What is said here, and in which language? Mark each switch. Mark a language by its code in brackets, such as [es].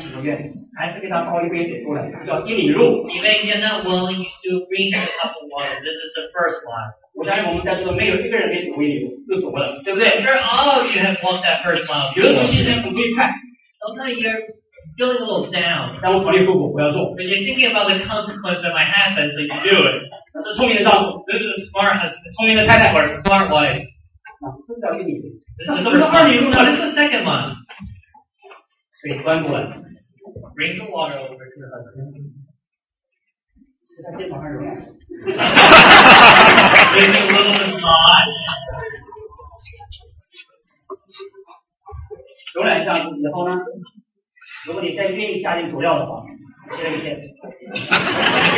[en] Even if you're not willing to bring a cup of water, this is the first mile. [zh] 我相信我们在座的没有一个人没走过一里路，都走过了，对不对 [en] ？Sure, all of you have walked that first mile. [zh] 有的时候心情不愉快 [en] ，Sometimes you're feeling a little down. [zh] 但我考虑后果，我要做。 [en] But you're thinking about the consequence that might happen, so you do it. [zh] 那是聪明的丈夫 [en] ，This is a smart husband. [zh] 聪明的太太 [en] ，or smart wife. [zh] 啊，这叫一里路。那什么是二里路呢 ？ [en] This is the second one. [zh] 水端过来 [en] ，Bring the water over to the husband. [zh] 浏览一下以后呢，如果你再愿意加点佐料的话，接着写。